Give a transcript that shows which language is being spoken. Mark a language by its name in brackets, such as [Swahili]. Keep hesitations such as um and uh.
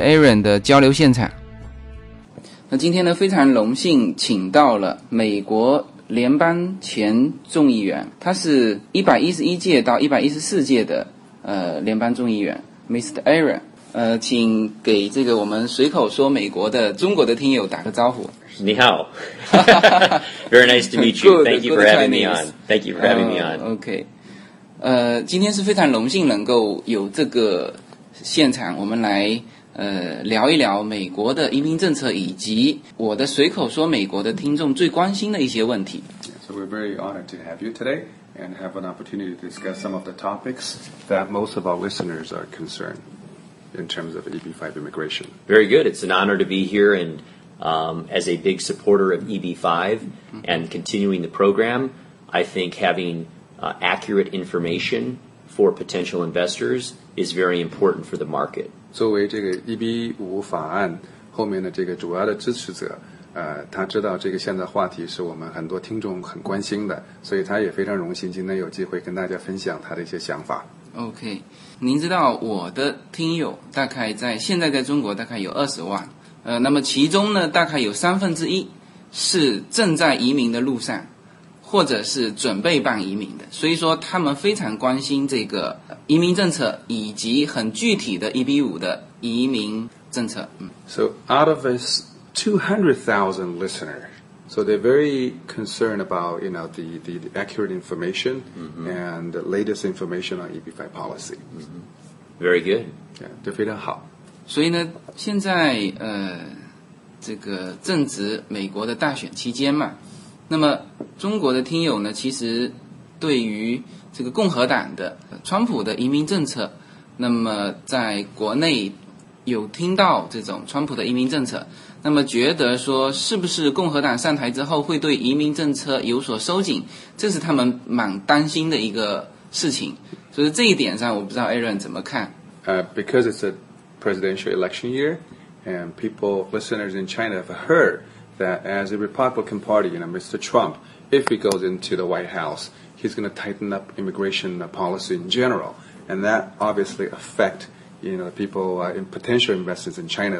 [Chinese] Aaron 的交流现场。那今天呢，非常荣幸请到了美国联邦前众议员，他是一百一十一届到一百一十四届的呃联邦众议员，Mr. Aaron。呃，请给这个我们随口说美国的中国的听友打个招呼。你好。 [English] Very nice to meet you. Thank you for having me on. Thank you for having me on.、Uh, OK。 [Chinese] 呃，今天是非常荣幸能够有这个现场，我们来。呃，聊一聊美国的移民政策，以及我的随口说美国的听众最关心的一些问题。 [English] So uh yeah, we're very honored to have you today and have an opportunity to discuss some of the topics that most of our listeners are concerned in terms of EB5 immigration. Very good. It's an honor to be here and. Um, as a big supporter of EB5 mm -hmm. and continuing the program, I think having uh, accurate information for potential investors is very important for the market. [Chinese] 作为这个 EB 五法案后面的这个主要的支持者，呃，他知道这个现在话题是我们很多听众很关心的，所以他也非常荣幸今天有机会跟大家分享他的一些想法。 OK，您知道我的听友大概在现在在中国大概有二十万，呃，那么其中呢大概有三分之一是正在移民的路上。或者是准备办移民的，所以说他们非常关心这个移民政策，以及很具体的 EB 五的移民政策。嗯。 [English] So out of this two hundred thousand listener, so they're very concerned about you know the the accurate information and the latest information on EB five policy. Very good. [Chinese] 很非常好。所以呢，现在呃，这个正值美国的大选期间嘛。那么中国的听友呢，其实对于这个共和党的川普的移民政策，那么在国内有听到这种川普的移民政策，那么觉得说是不是共和党上台之后会对移民政策有所收紧，这是他们蛮担心的一个事情。所以这一点上，我不知道 Aaron 怎么看。 [English] 呃、uh,，because it's a presidential election year，and people listeners in China have heard。 that as a Republican Party, you know, Mr. Trump, if he goes into the White House, he's going to tighten up immigration policy in general, and that obviously affect you know people uh, in potential investors in China.